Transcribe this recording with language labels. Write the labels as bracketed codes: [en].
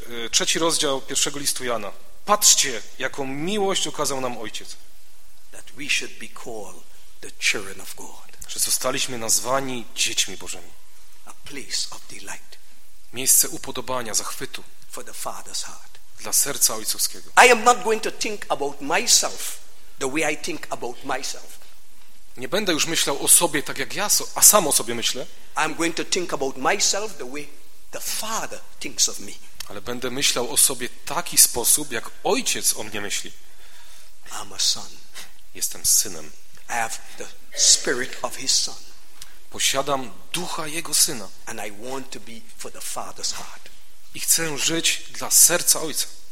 [pl] Trzeci rozdział pierwszego listu Jana. Patrzcie, jaką miłość okazał nam Ojciec. [en] That we should be called the children of God. [pl] Że zostaliśmy nazwani dziećmi Bożymi. [en] A place of delight. [pl] Miejsce upodobania, zachwytu. [en] For the Father's heart. [pl] Dla serca ojcowskiego. [en] I am not going to think about myself the way I think about myself. [pl] Nie będę już myślał o sobie tak jak ja, a sam o sobie myślę. [en] I'm going to think about myself the way the Father thinks of me. [pl] Ale będę myślał o sobie taki sposób, jak Ojciec o mnie myśli. [en] I'm a son. [pl] Jestem synem. [en] I have the spirit of his son. [pl] Posiadam ducha jego syna. [en] And I want to be for the Father's heart. [pl] I chcę żyć dla serca Ojca.